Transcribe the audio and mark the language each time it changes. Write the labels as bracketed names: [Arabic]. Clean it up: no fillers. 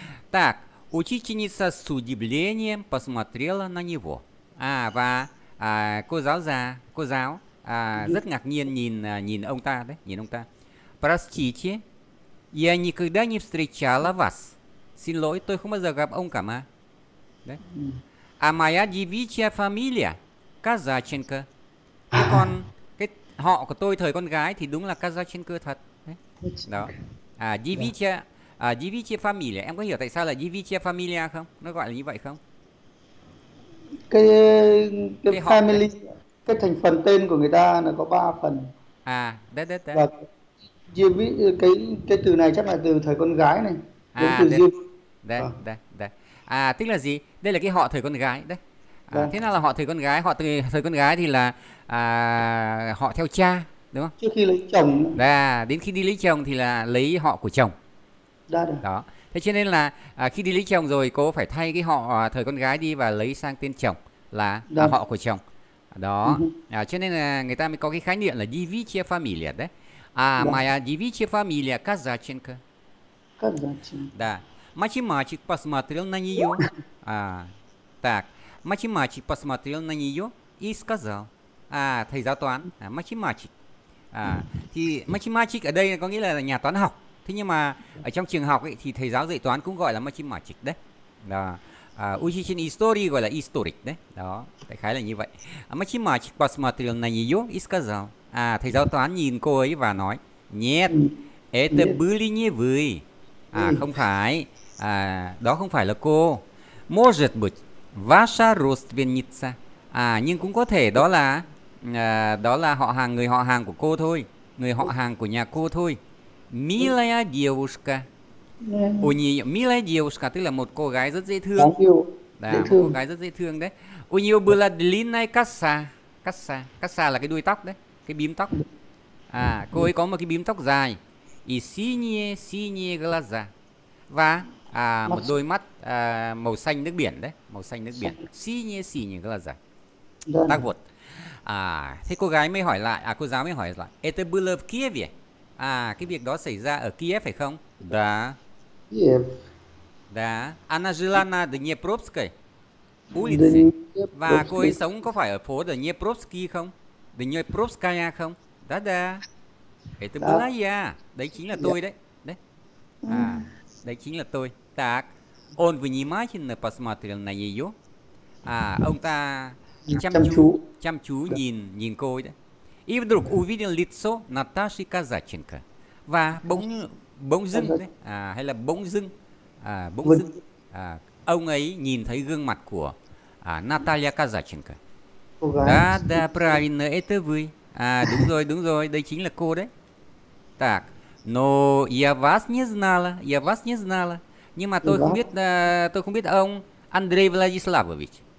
[Russian] Так, учительница с удивлением посмотрела на него. [Vietnamese] Và cô giáo già, cô giáo rất ngạc nhiên nhìn nhìn ông ta đấy, nhìn ông ta. [Russian] Простите, я никогда не встречала вас. [Vietnamese] Xin lỗi, tôi không bao giờ gặp ông cả mà. Đấy. [Russian] А моя девичья фамилия Казаченко. [Vietnamese] Cái con, cái họ của tôi thời con gái thì đúng là Казаченко thật. Đấy. Đó. [Russian] À, девичья, à, девичья фамилия. [Vietnamese] Em có hiểu tại sao là [Russian] девичья фамилия [Vietnamese] không? Nó gọi là như vậy không? Cái family, đấy. Cái thành phần tên của người ta là có 3 phần. À, đấy, đấy, đấy. Và cái từ này chắc là từ thời con gái này. À, từ đây, đây, đây, đây. À, tức là gì? Đây là cái họ thời con gái đấy. À, thế nào là họ thời con gái? Họ từ thời con gái thì là họ theo cha, đúng không? Trước khi lấy chồng. Đà, đến khi đi lấy chồng thì là lấy họ của chồng. Đà, đà. Đó. Thế cho nên là khi đi lấy chồng rồi cô phải thay cái họ thời con gái đi và lấy sang tên chồng là họ của chồng. Đó. À, cho nên là người ta mới có cái khái niệm là divicia familia đấy. [Russian] À, моя девичья фамилия Казаченко. Да. Математик посмотрел на нее. А, так. Математик посмотрел на нее и сказал. [Vietnamese] А, thầy giáo toán. А, математик. А, thì математик ở đây có nghĩa là nhà toán học. Thế nhưng mà ở trong trường học ấy, thì thầy giáo dạy toán cũng gọi là математик đấy. Đó. À, [Russian] учитель истории [Vietnamese] gọi là историк đấy. Đó. Đại khái là như vậy. [Russian] А, математик посмотрел на нее и сказал. [Vietnamese] À, thầy giáo toán nhìn cô ấy và nói. [Russian] Нет. Это были не вы. [Vietnamese] À, không phải, à, đó không phải là cô. [Russian] Может быть, ваша родственница. [Vietnamese] À, nhưng cũng có thể đó là họ hàng, người họ hàng của cô thôi. Người họ hàng của nhà cô thôi. [Russian] Милая девушка. У неё, милая девушка [Vietnamese] tức là một cô gái rất dễ thương. Đó, một cô gái rất dễ thương đấy. [Russian] У неё была длинная коса. [Vietnamese] Коса, коса là cái đuôi tóc đấy, cái bím tóc. À, cô ấy có một cái bím tóc dài. [Russian] И синие, синие глаза. [Vietnamese] Và một đôi mắt màu xanh nước biển đấy, màu xanh nước biển. [Russian] Синие, синие глаза. Так вот. [Vietnamese] À, thế cô gái mới hỏi lại, cô giáo mới hỏi lại. [Russian] Это было в Киеве? [Vietnamese] À, cái việc đó xảy ra ở Kiev phải không? [Russian] Да. Киев. Да. Она жила на Днепропской улице. [Vietnamese] Và cô ấy sống có phải ở phố Днепропский không? Днепропская không? [Russian] Да, да. Это была я. [Vietnamese] Đấy chính là tôi đấy. Đấy. À, đấy chính là tôi. [Russian] Так. Он внимательно посмотрел на неё. [Vietnamese] À, ông ta chăm chú nhìn cô ấy đấy. [Russian] И вдруг увидел лицо Наташи Казаченко. [Vietnamese] Và bỗng dưng đấy. À, hay là bỗng dưng. À, ông ấy nhìn thấy gương mặt của Наталья Казаченко. [Russian] Да, да, правильно, это вы. [Vietnamese] À, đúng rồi, đây chính là cô đấy. [Russian] Так. Но я вас не знала, я вас не знала. [Vietnamese] Nhưng mà tôi không biết ông Андрей Владиславович.